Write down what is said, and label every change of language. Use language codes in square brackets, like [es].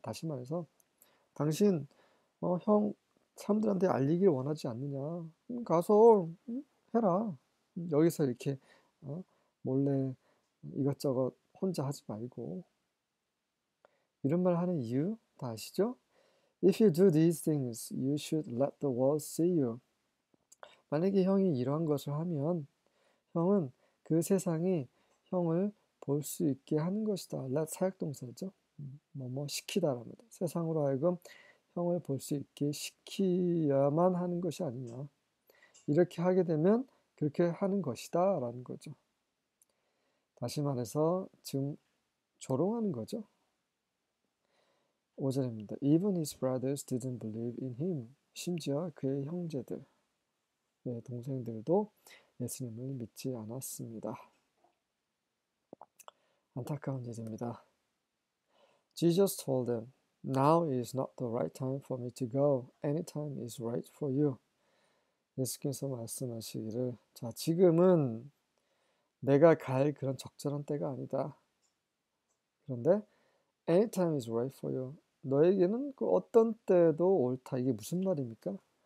[ko] 다시 말해서, 당신, 형, 사람들한테 알리길 원하지 않느냐. 가서 해라. 여기서 이렇게, 몰래 이것저것 혼자 하지 말고. 이런 말 하는 이유, 다 아시죠? [en] If you do these things, you should let the world see you. [ko] 만약에 형이 이러한 것을 하면, 형은 그 세상이 형을 볼수 있게 하는 것이다. Let 사역 동사죠. 뭐뭐 시키다 라는 거죠. 세상으로 하여금 형을 볼수 있게 시키야만 하는 것이 아니냐. 이렇게 하게 되면 그렇게 하는 것이다 라는 거죠. 다시 말해서 지금 조롱하는 거죠. 5절입니다. [en] Even his brothers didn't believe in him. [ko] 심지어 그의 형제들, 그의 동생들도 예수님을 믿지 않았습니다. 안타까운 일입니다. [en] Jesus told them, "Now is not the right time for me to go. Any time is right for you." [ko] 예수께서 말씀하시기를, 자, 지금은 내가 갈 그런 적절한 때가 아니다. 그런데 [en] any time is right for you. [ko] 너에게는 그 어떤 때도 옳다. 이게 무슨 말입니까?